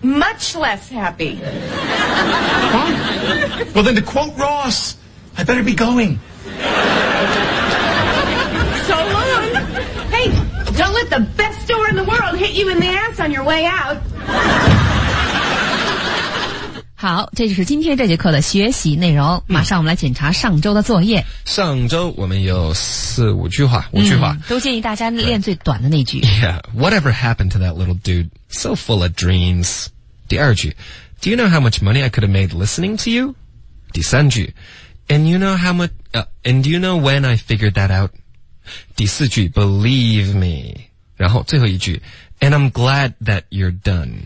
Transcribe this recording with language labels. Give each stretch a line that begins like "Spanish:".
English: Much less happy. Huh? Well, then to quote Ross, I better be going. So long. Hey, don't let the best store in the world hit you in the ass on your way out.
Chinese: 好，这就是今天这节课的学习内容。马上我们来检查上周的作业。上周我们有四五句话，五句话，都建议大家练最短的那句。
English: Yeah, whatever happened to that little dude? So full of dreams.
Chinese: 第二句
English: ，Do you know how much money I could have made listening to you?
Chinese: 第三句
English: ，And you know how much? And do you know when I figured that out?
Chinese: 第四句 ，
English: Believe me.
Chinese: 然后最后一句。
English: And I'm glad that you're done.